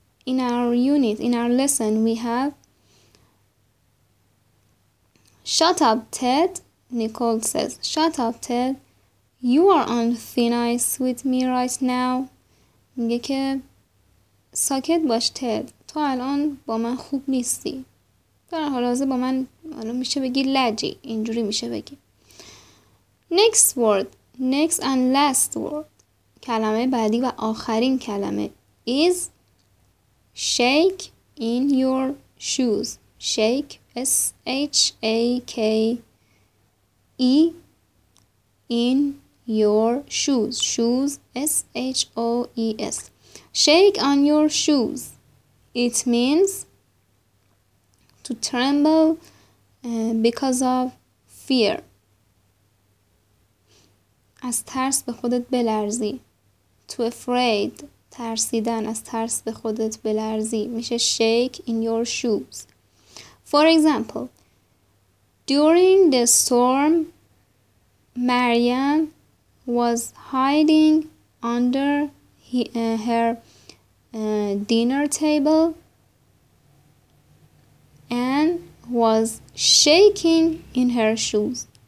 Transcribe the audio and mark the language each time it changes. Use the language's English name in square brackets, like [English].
[English] In our unit, in our lesson, we have shut up, Ted. Nicole says, shut up, Ted. You are on thin ice with me right now. [Persian] میگه که ساکت باش تد، تو الان با من خوب نیستی، در حال حاضر با من الان میشه بگی لجی، اینجوری میشه بگی. [English] Next word, next and last word، [Persian] کلمه بعدی و آخرین کلمه [English] is shake in your shoes. Shake, shake in your shoes. Shoes, shoes. Shake on your shoes. It means to tremble because of fear. [Persian] از ترس به خودت بلرزی. [English] To afraid. [Persian] ترسیدن، از ترس به خودت بلرزی. میشه shake in your shoes. [English] For example, during the storm, Maryam was hiding under her dinner table and was shaking in her shoes.